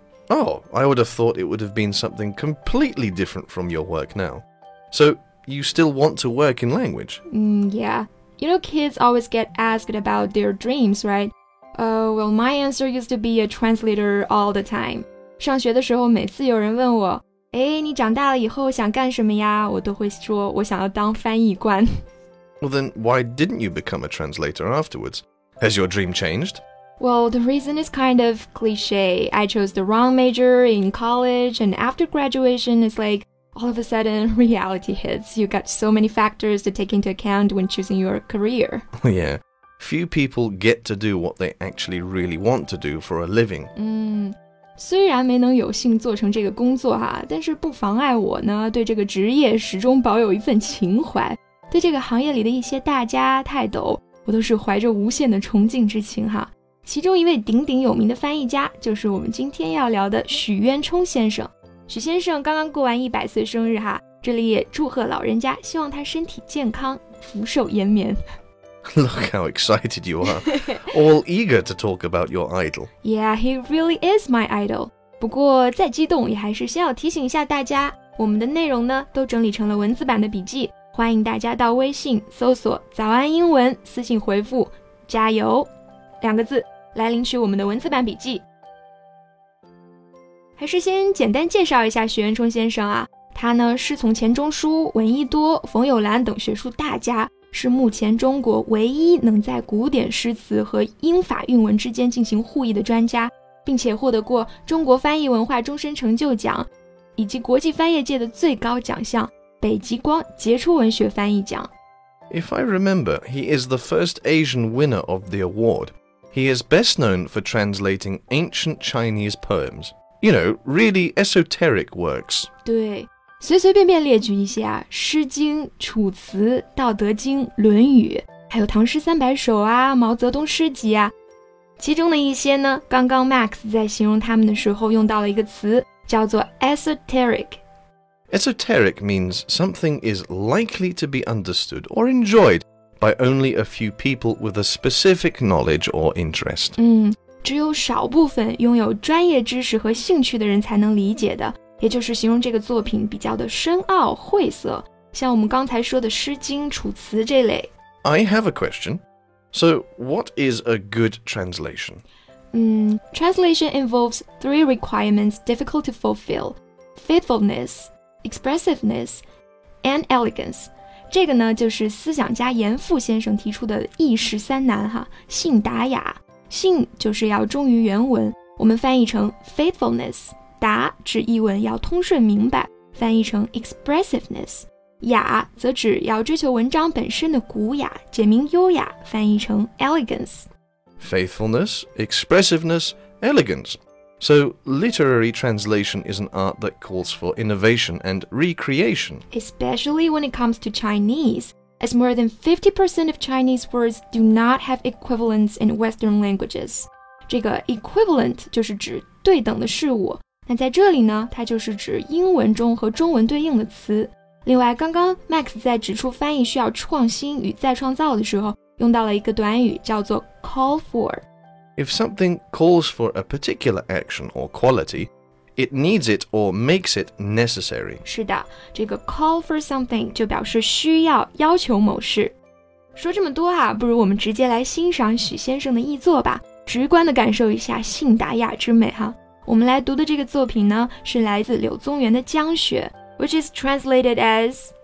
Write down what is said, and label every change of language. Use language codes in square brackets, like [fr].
[en] Oh, I would have thought it would have been something completely different from your work now. So, you still want to work in language? Yeah. You know, kids always get asked about their dreams, right? Well, my answer used to be a translator all the time. [zh] 上学的时候每次有人问我，诶，你长大了以后想干什么呀？我都会说我想要当翻译官。 [en] Well, then why didn't you become a translator afterwards? Has your dream changed? Well, the reason is kind of cliche. I chose the wrong major in college, and after graduation, it's like, all of a sudden, reality hits. You've got so many factors to take into account when choosing your career. Yeah. Few people get to do what they actually really want to do for a living. [zh] 虽然没能有幸做成这个工作哈，但是不妨碍我呢，对这个职业始终保有一份情怀，对这个行业里的一些大家泰斗，我都是怀着无限的崇敬之情哈。其中一位鼎鼎有名的翻译家就是我们今天要聊的许渊冲先生。许先生刚刚过完100岁生日哈，这里也祝贺老人家，希望他身体健康，福寿延绵。 [en] Look how excited you are. All eager to talk about your idol. Yeah, he really is my idol. [zh] 不过再激动也还是先要提醒一下大家，我们的内容呢都整理成了文字版的笔记，欢迎大家到微信搜索早安英文，私信回复加油两个字来领取我们的文字版笔记。还是先简单介绍一下许渊冲先生啊，他呢是从钱钟书、闻一多、冯友兰等学术大家，是目前中国唯一能在古典诗词和英法韵文之间进行互译的专家，并且获得过中国翻译文化终身成就奖以及国际翻译界的最高奖项北极光杰出文学翻译奖。 [en] If I remember, he is the first Asian winner of the award. He is best known for translating ancient Chinese poems. You know, really esoteric works. [zh] 对，随随便便列举一些啊，《诗经》《楚辞》《道德经》《论语》，还有《唐诗三百首》啊，《毛泽东诗集》啊。其中的一些呢，刚刚 Max 在形容他们的时候用到了一个词，叫做 esoteric。 [en] Esoteric means something is likely to be understood or enjoyed by only a few people with a specific knowledge or interest. [zh] 只有少部分拥有专业知识和兴趣的人才能理解的，也就是形容这个作品比较的深奥晦涩，像我们刚才说的《诗经》《楚辞》这类。 [en] I have a question. So, what is a good translation? Translation involves three requirements difficult to fulfill: faithfulness. Expressiveness and elegance. [zh] 这个呢就是思想家严复先生提出的译诗三难哈，信达雅。信就是要忠于原文，我们翻译成 faithfulness， 达指译文要通顺明白，翻译成 expressiveness， 雅则指要追求文章本身的古雅，简明优雅，翻译成 elegance。 [en] Faithfulness, expressiveness, eleganceSo, literary translation is an art that calls for innovation and recreation. Especially when it comes to Chinese, as more than 50% of Chinese words do not have equivalents in Western languages. [zh] 这个 equivalent 就是指对等的事物，那在这里呢，它就是指英文中和中文对应的词。另外，刚刚 Max 在指出翻译需要创新与再创造的时候，用到了一个短语叫做 call for. [en] If something calls for a particular action or quality, it needs it or makes it necessary. [zh] 是的，这个 call for something 就表示需要、要求某事。说这么多啊，不如我们直接来欣赏许先生的译作吧，直观地感受一下信达雅之美哈。我们来读的这个作品呢是来自柳宗元的江雪 [en] which is translated as